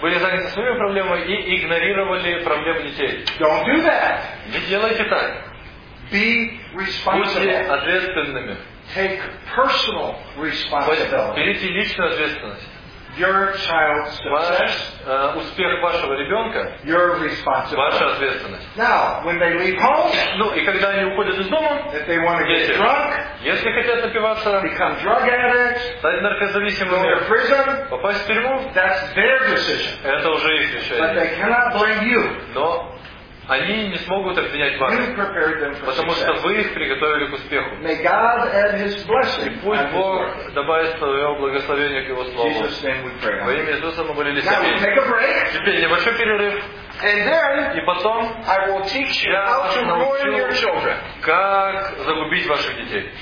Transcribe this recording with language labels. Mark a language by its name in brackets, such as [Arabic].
[Russian] Были заняты своими проблемами и игнорировали проблемы детей. [English] Don't do that. [Russian] Не делайте так. [English] Be responsible. [Russian] Будьте ответственными. [English] Take personal responsibility. [Russian] Берите личную ответственность. [English] Your child's success. [Russian] Успех вашего ребенка. [English] Your responsibility. [Russian] Ваша ответственность. [English] Now, when they leave home. [Russian] Ну и когда они уходят из дома. [English] If they want to get drunk. [Russian] Если хотят напиваться, [English] become drug addicts, [Russian] стать наркозависимыми, [English] go to prison, [Russian] попасть в тюрьму, [English] that's their decision. [Russian] Это уже их решение. [English] But they cannot blame you. [Russian] Но они не смогут обвинять вас, потому что вы их приготовили к успеху. [English] May God add his blessing. [Russian] И пусть Бог добавит свое благословение к его слову. Во имя Иисуса мы молились. [English] Now we'll take a break. [Russian] Теперь небольшой перерыв. [English] And then, [Russian] и потом [English] I will teach you how to ruin your children. [Russian] Как загубить ваших детей.